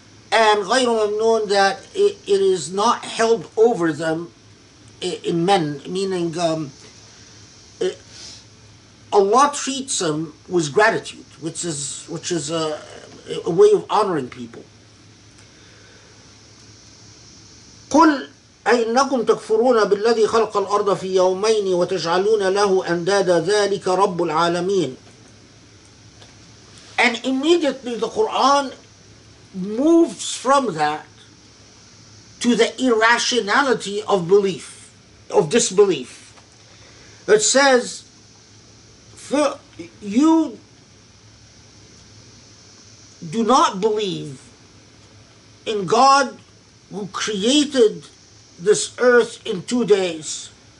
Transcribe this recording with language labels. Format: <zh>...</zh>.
<en>And</en> <ar>غير ممنون,</ar> <en>that it is not held over them in men, meaning Allah treats them with gratitude, which is a way of honoring people.</en> <ar>قل أئنكم تكفرون بالذي خلق الأرض في يومين وتجعلون له أندادا ذلك رب العالمين.</ar> <en>And immediately the Quran moves from that to the irrationality of belief, of disbelief. It says, you do not believe in God who created this earth in 2 days.</en>